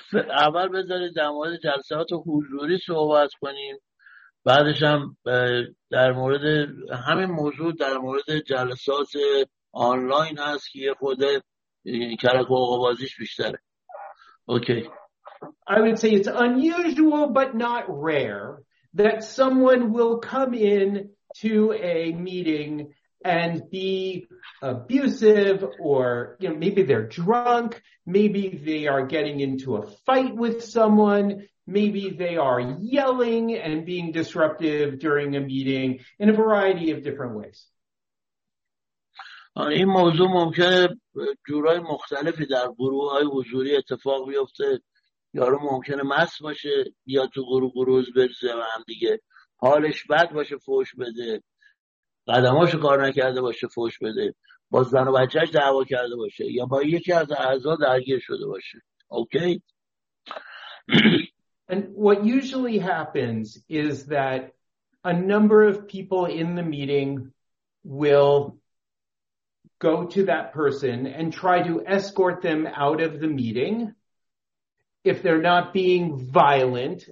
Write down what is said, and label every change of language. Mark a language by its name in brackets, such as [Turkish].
[Persian] اول بذارید در مورد جلسات حضوری صحبت کنیم، بعدش هم در مورد همین موضوع در مورد جلسات آنلاین هست که خود کلک و آقابازیش بیشتره. [English] Okay. I would say it's unusual but not rare that someone will come in to a meeting and be abusive, or, you know, maybe they're drunk, maybe they are getting into a fight with someone, maybe they are yelling and being disruptive during a meeting in a variety of different ways. [Persian] این موضوع ممکنه جورای مختلفی در گروه های حضوری اتفاق بیفته. یارو ممکنه مست باشه بیا تو گروه برسه و هم دیگه حالش بد باشه فوش بده، قدماشو کار نکرده باشه فوش بده، با زن و بچهش دعوا کرده باشه یا با یکی از اعضا درگیر شده باشه. اوکی؟ [English] And what usually happens is that a number of people in the meeting will go to that person and try to escort them out of the meeting if they're not being violent.